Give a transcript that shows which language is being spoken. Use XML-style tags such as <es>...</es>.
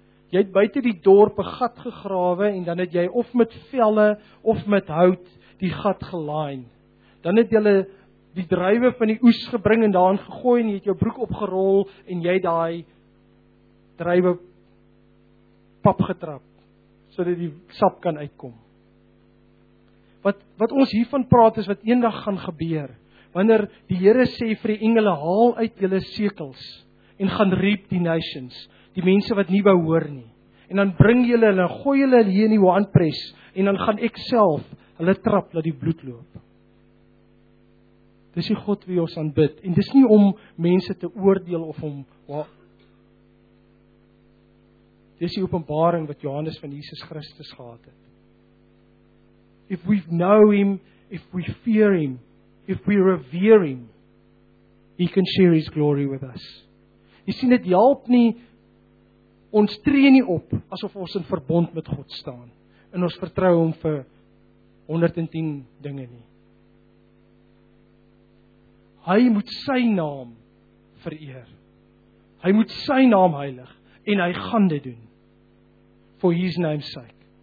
<af>Jy het buite die dorp 'n gat gegrawe en dan het jy of met velle of met hout die gat gelaaien. Dan het jy die druiwe van die oes gebring en daarin gegooi en jy het jou broek opgerol en jy daai druiwe pap getrap sodat die sap kan uitkom. Wat ons hiervan praat is wat eendag gaan gebeur. Wanneer die Here sê vir die engele, haal uit julle sekels en gaan</af> <en>reap</en> <af>die nations, die mense wat nie behoor nie. En dan bring julle hulle, gooi julle hier in die winepress en dan gaan ek self hulle trap laat die bloed loop. Dis die God wie ons aanbid en dis nie om mense te oordeel of om dis die openbaring wat Johannes van Jesus Christus gehad het.</af> <en>If we know him, if we fear him, if we revere him, he can share his glory with us.</en> <af>Jy sien, dit help nie, ons tree nie op, asof ons in verbond met God staan, en ons vertrou hom vir 110 dinge nie. Hy moet sy naam vereer. Hy moet sy naam heilig, en hy gaan dit doen,</af> <en>for his name's sake.</en>